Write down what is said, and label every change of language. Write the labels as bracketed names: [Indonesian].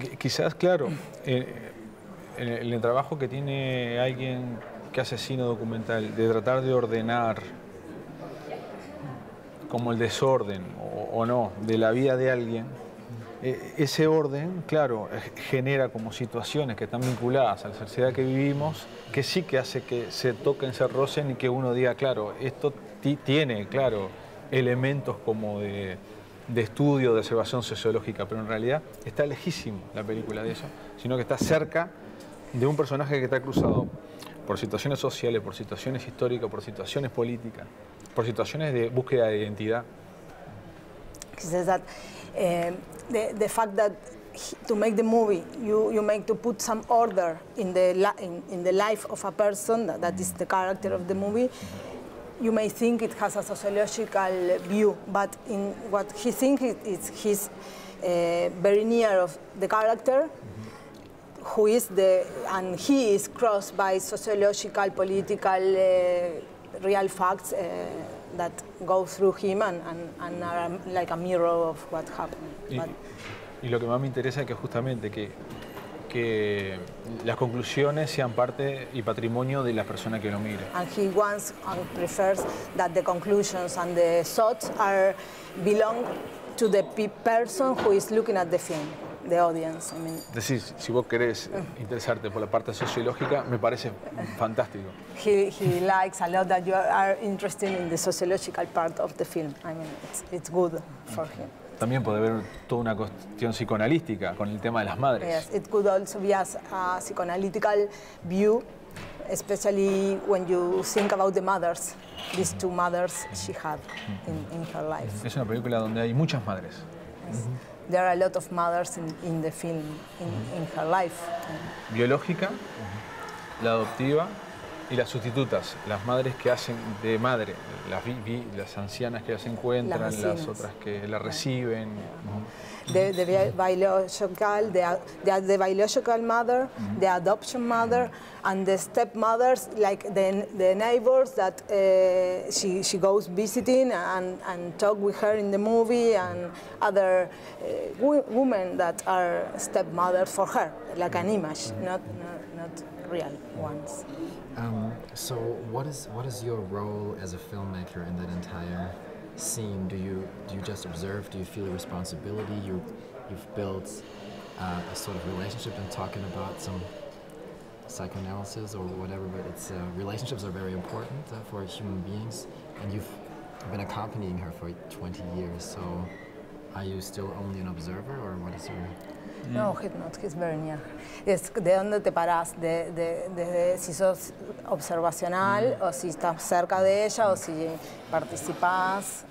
[Spanish] Quizás, claro, en el trabajo que tiene alguien que hace cine documental, de tratar de ordenar como el desorden, o no, de la vida de alguien, ese orden, claro, genera como situaciones que están vinculadas a la sociedad que vivimos, que sí que hace que se toquen, se rocen, y que uno diga, claro, esto tiene, claro, elementos como de estudio, de observación sociológica, pero en realidad está lejísimo la película de eso, sino que está cerca de un personaje que está cruzado por situaciones sociales, por situaciones históricas, por situaciones políticas, por situaciones de búsqueda de identidad. [English] He says that the fact that to make the movie you make to put some order in the life of a person that is the character of the movie, you may think it has a sociological view, but in what he thinks it's his very near of the character, who is the, and he is crossed by sociological, political, real facts that go through him and are like a mirror of what happened. [Spanish] Y lo que más me interesa es que justamente que las conclusiones sean parte y patrimonio de la persona que lo mira. [English] And he wants and prefers that the conclusions and the thoughts belong to the person who is looking at the film. The audience, I mean. [Spanish] Decís, si vos querés interesarte por la parte sociológica, me parece fantástico. [English] He likes a lot that you are interested in the sociological part of the film. I mean, it's good for him. [Spanish] También puede haber toda una cuestión psicoanalística con el tema de las madres. [English] Yes, it could also be a psychoanalytical view, especially when you think about the mothers, these two mothers she had in her life. [Spanish] Es una película donde hay muchas madres. [English] Yes. Mm-hmm. There are a lot of mothers in the film, in her life. [Spanish] Biológica, la adoptiva y las sustitutas, las madres que hacen de madre, las ancianas que las encuentran, las otras que la reciben. [English] The biological, the biological mother, the adoption mother, and the stepmothers, like the neighbors that she goes visiting and talk with her in the movie, and other women that are stepmothers for her, like an image, not real ones. So what is your role as a filmmaker in that entire scene? Do you just observe? Do you feel a responsibility? You've built a sort of relationship and talking about some psychoanalysis or whatever, but it's relationships are very important for human beings, and you've been accompanying her for 20 years. So are you still only an observer, or what is your No, he's not. He's very near. [Spanish] Es de dónde te parás, de si sos observacional o si estás cerca de ella o si participás.